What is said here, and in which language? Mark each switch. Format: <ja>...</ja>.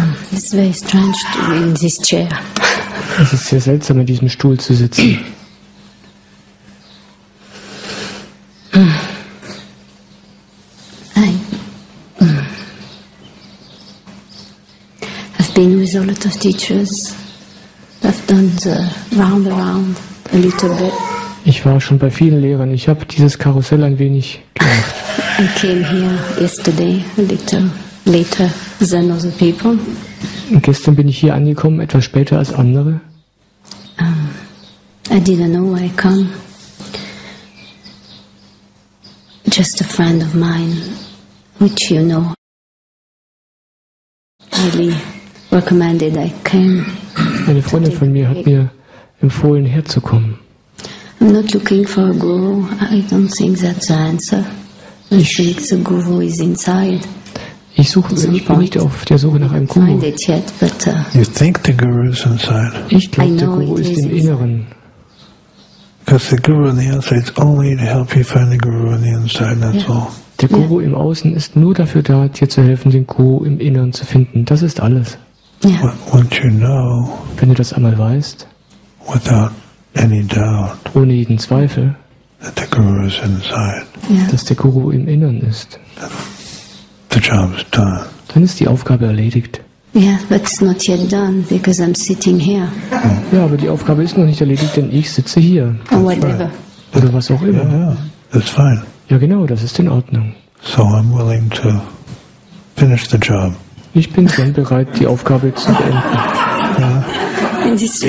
<en>It's very strange to be in this chair.</en> <de>Es ist sehr seltsam, in diesem Stuhl zu sitzen.</de> <en>I've been with a lot of teachers. I've done the round around a little bit.</en> <de>Ich war schon bei vielen Lehrern. Ich habe dieses Karussell ein wenig gemacht.</de> <en>I came here yesterday a little later than other people.</en> <de>Und gestern bin ich hier angekommen, etwas später als andere.</de> <en>I didn't know why I come. Just a friend of mine, which you know, really recommended I came.</en> <de>Eine Freundin von mir hat mir empfohlen, herzukommen.</de> <en>I'm not looking for a guru. I don't think that's the answer. I think the guru is inside.</en> <de>Ich bin nicht auf der Suche nach einem Guru.</de> <en>Yet, but, you think the guru is inside?</en> <de>Ich glaube, der Guru ist im Inneren.</de> <en>Because the guru on the outside is only to help you find the guru on the inside. That's all.</en> <de>Der Guru im Außen ist nur dafür da, dir zu helfen, den Guru im Inneren zu finden. Das ist alles.</de> <en>Yeah. Once you know,</en> <de>wenn du das einmal weißt,</de> <en>without any doubt,</en> <de>ohne jeden Zweifel,</de> <en>that the guru is inside,</en> <de>dass der Guru im Inneren ist.</de> <en>The job is done.</en> <de>Dann ist die Aufgabe erledigt.</de> <en>Yeah, but it's not yet done because I'm sitting here.</en> <de>Ja, aber die Aufgabe ist noch nicht erledigt, denn ich sitze hier.</de> <en>Or whatever.</en> <de>Oder was auch immer.</de> <en>Yeah, that's fine.</en> <de>Ja, genau, das ist in Ordnung.</de> <en>So I'm willing to finish the job.</en> <de>Ich bin schon bereit, die Aufgabe zu beenden.</de>